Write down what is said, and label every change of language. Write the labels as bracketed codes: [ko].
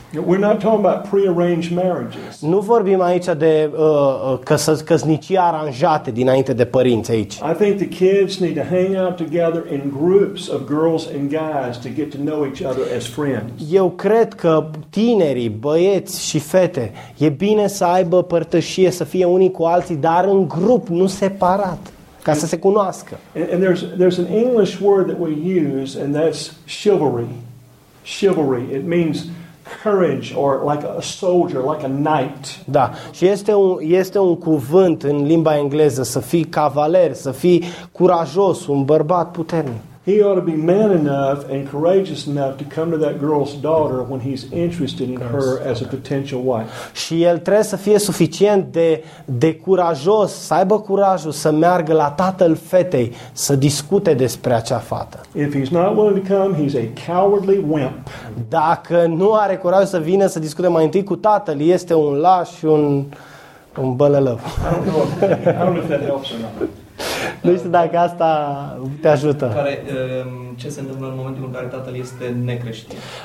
[en] We're not talking about pre-arranged marriages. [ro] Nu vorbim aici de căsnicii aranjate dinainte de părinți aici. [en] I think the kids need to hang out together in groups of girls and guys to get to know each other as friends. [ro] Eu cred că tinerii, băieți și fete, e bine să aibă părtășie, să fie unii cu alții, dar în grup, nu separat, ca să se cunoască. [en] And there's an English word that we use, and that's chivalry. Chivalry, it means courage, or like a soldier, like a knight. [ro] Da. Și este un cuvânt în limba engleză, să fii cavaler, să fii curajos, un bărbat puternic. [en] He ought to be man enough and courageous enough to come to that girl's daughter when he's interested in her as a potential wife. [ro] Și el trebuie să fie suficient de curajos, să aibă curajul să meargă la tatăl fetei să discute despre acea fată. [en] If he's not willing to come, he's a cowardly wimp. [ro] Dacă nu are curajul să vină să discute mai întâi cu tatăl, este un laș și un bălălău. [en] I don't know if that helps or not. [ro] Nu știu dacă asta te ajută. Ce se întâmplă în momentul în care tatăl este necreștin?